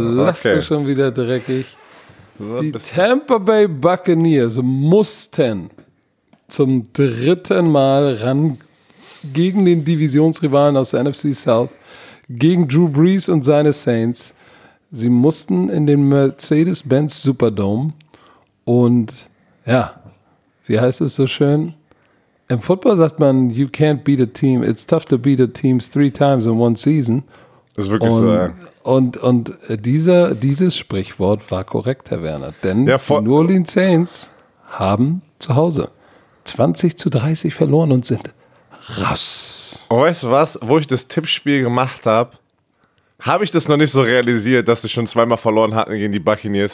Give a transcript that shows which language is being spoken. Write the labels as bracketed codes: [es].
[de] Lass okay. Du schon wieder dreckig. Die Tampa Bay Buccaneers mussten zum dritten Mal ran gegen den Divisionsrivalen aus der NFC South, gegen Drew Brees und seine Saints. Sie mussten in den Mercedes-Benz Superdome und ja, wie heißt es so schön? Im Football sagt man, [en] you can't beat a team, it's tough to beat a team 3 times in 1 season. [de] Das ist wirklich so. Und dieses Sprichwort war korrekt, Herr Werner. Denn ja, die New Orleans Saints haben zu Hause 20-30 verloren und sind raus. Und weißt du was, wo ich das Tippspiel gemacht habe, habe ich das noch nicht so realisiert, dass sie schon zweimal verloren hatten gegen die Buccaneers.